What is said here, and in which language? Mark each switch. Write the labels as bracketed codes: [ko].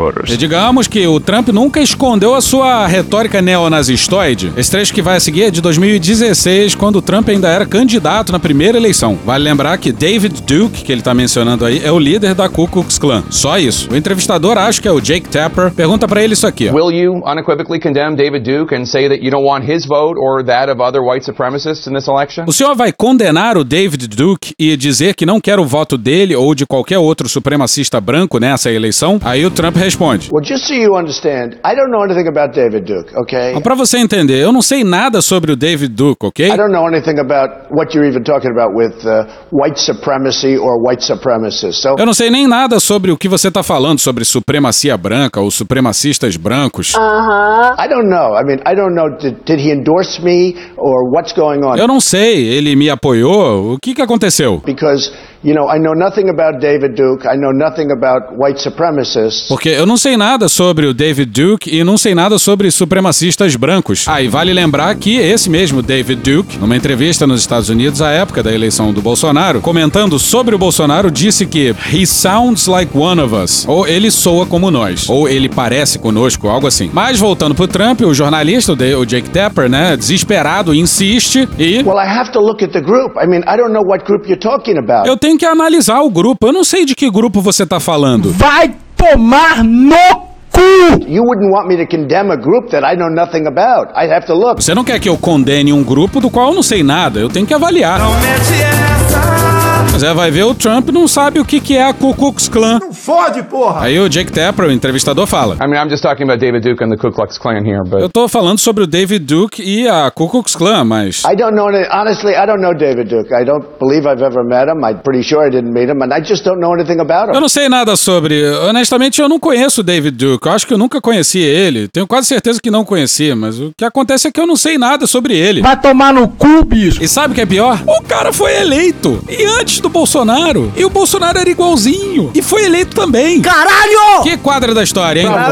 [pt] E digamos que o Trump nunca escondeu a sua retórica neonazistoide. Esse trecho que vai a seguir é de 2016, quando o Trump ainda era candidato na primeira eleição. Vale lembrar que David Duke, que ele tá mencionando aí, é o líder da Ku Klux Klan. Só isso. O entrevistador, acho que é o Jake Tapper, pergunta pra ele isso aqui. [en] Will you unequivocally condemn David Duke and say that you don't want his vote or that of other white supremacists in this election? [pt] O senhor vai condenar o David Duke e dizer que não quer o voto dele ou de qualquer outro supremacista branco nessa eleição? Aí o Trump responde. [en] Well, just so you understand. I don't know anything about David Duke, okay? [pt] Para você entender, eu não sei nada sobre o David Duke, ok? [en] I don't know anything about what you're even talking about with white supremacy or white supremacists. So [pt] eu não sei nem nada sobre o que você tá falando sobre supremacia branca ou supremacistas brancos. [en] I don't know. I mean, I don't know did he endorse me or what's going on? [pt] Eu não sei, ele me apoiou? O que que aconteceu? [en] Because you know, I know nothing about David Duke. I know nothing about white supremacists. [pt] Porque eu não sei nada sobre o David Duke e não sei nada sobre supremacistas brancos. Ah, e vale lembrar que esse mesmo David Duke, numa entrevista nos Estados Unidos à época da eleição do Bolsonaro, comentando sobre o Bolsonaro, disse que [en] he sounds like one of us. [pt] Ou ele soa como nós. Ou ele parece conosco, algo assim. Mas voltando pro Trump, o jornalista, o Jake Tapper, né, desesperado, insiste e... [en] Well, I have to look at the group. I mean, I don't know what group you're talking about. [pt] Eu tenho que analisar o grupo. Eu não sei de que grupo você tá falando. Vai tomar no cu! [en] You wouldn't want me to condemn a group that I know nothing about. I have to look. [pt] Você não quer que eu condene um grupo do qual eu não sei nada. Eu tenho que avaliar. Mas é, vai ver, o Trump não sabe o que que é a Ku Klux Klan. Não fode, porra! Aí o Jake Tapper, o entrevistador, fala. [en] I mean, I'm just talking about David Duke and the Ku Klux Klan here, but... [pt] Eu tô falando sobre o David Duke e a Ku Klux Klan, mas... [en] I don't know any... Honestly, I don't know David Duke. I don't believe I've ever met him. I'm pretty sure I didn't meet him, and I just don't know anything about him. [pt] Eu não sei nada sobre... Honestamente, eu não conheço o David Duke. Eu acho que eu nunca conheci ele. Tenho quase certeza que não conheci, mas o que acontece é que eu não sei nada sobre ele. Vai tomar no cu, bicho! E sabe o que é pior? O cara foi eleito! E antes do Bolsonaro. E o Bolsonaro era igualzinho. E foi eleito também. Caralho! Que quadra da história, hein?